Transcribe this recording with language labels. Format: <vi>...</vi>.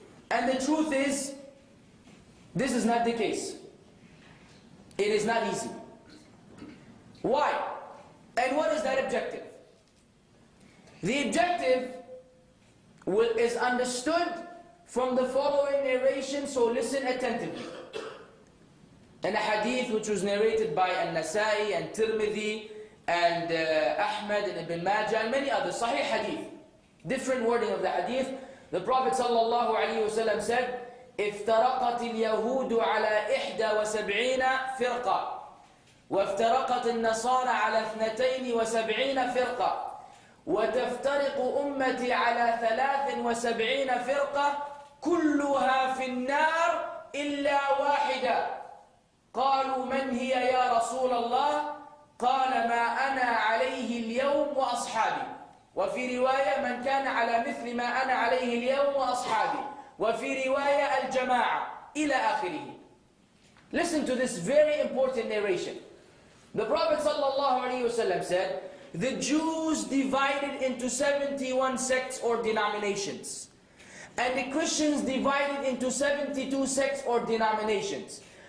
<en>And the truth is, this is not the case. It is not easy. Why? And what is that objective? The objective is understood from the following narration, so listen attentively. In a hadith which was narrated by Al-Nasai and Tirmidhi and Ahmad and Ibn Majah and many others, sahih hadith, different wording of the hadith, the Prophet sallallahu alayhi wa sallam said,</en> <ar>افْتَرَقَتِ الْيَهُودُ عَلَىٰ إِحْدَى وَسَبْعِينَ فِرْقًا وَافْتَرَقَتِ النَّصَارَى عَلَىٰ اثْنَتَيْنِ وَسَبْعِينَ فِرْقًا وَتَفْتَرِقُ أُمَّتِي عَلَىٰ 73 فِرْقًا كُلُّهَا فِي النَّارِ إِلَّا وَاحِدًا قالوا من هي يا رسول الله قال ما انا عليه اليوم واصحابي وفي روايه من كان على مثل ما انا عليه اليوم واصحابي وفي روايه الجماعه الى اخره.</ar> <en>Listen to this very important narration. The Prophet sallallahu alaihi wasallam said, the Jews divided into 71 sects or denominations, and the Christians divided into 72 sects or denominations.</en>